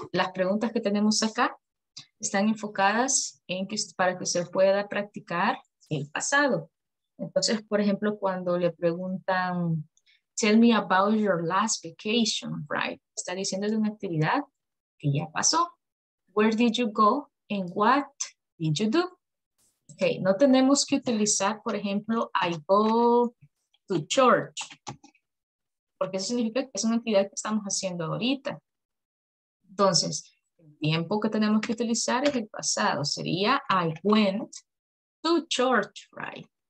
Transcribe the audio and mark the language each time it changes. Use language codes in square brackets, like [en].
[es] Las preguntas que tenemos acá están enfocadas en que, para que se pueda practicar el pasado. Entonces, por ejemplo, cuando le preguntan, [en] tell me about your last vacation, right? [es] Está diciendo de una actividad que ya pasó. [en] Where did you go and what did you do? [es] Okay, no tenemos que utilizar, por ejemplo, [en] I go to church. [es] Porque eso significa que es una actividad que estamos haciendo ahorita. Entonces, el tiempo que tenemos que utilizar es el pasado. Sería [en] I went to church, right?